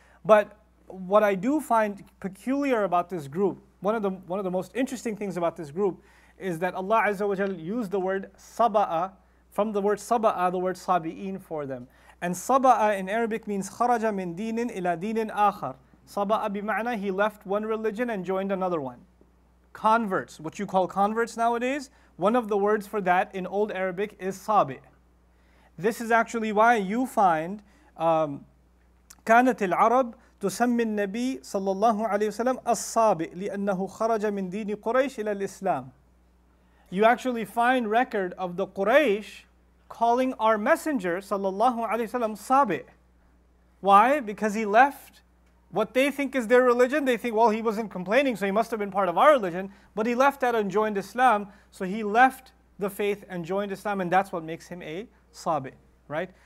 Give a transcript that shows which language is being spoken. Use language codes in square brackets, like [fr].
[en] But what I do find peculiar about this group, one of the most interesting things about this group, is that Allah Azza wa Jal used the word Saba'a, from the word Saba'a, the word Sabi'een for them. And Saba'a in Arabic means [ar] kharaja min deenin ila deenin akhar. [en] Saba'a bima'na, he left one religion and joined another one. Converts, what you call converts nowadays, one of the words for that in old Arabic is Sabi'. This is actually why you find [ar] kanatil Arab تُسَمِّ النَّبِي صَلَّى اللَّهُ عَلَيْهِ وَسَلَّمَ الصَّابِئِ لِأَنَّهُ خَرَجَ مِنْ دِينِ قُرَيْشِ إِلَى الْإِسْلَامِ. [en] You actually find record of the Quraysh calling our messenger صلى الله عليه وسلم صابئ. Why? Because he left what they think is their religion. They think, well, he wasn't complaining, so he must have been part of our religion. But he left that and joined Islam. So he left the faith and joined Islam, and that's what makes him a صابئ, right?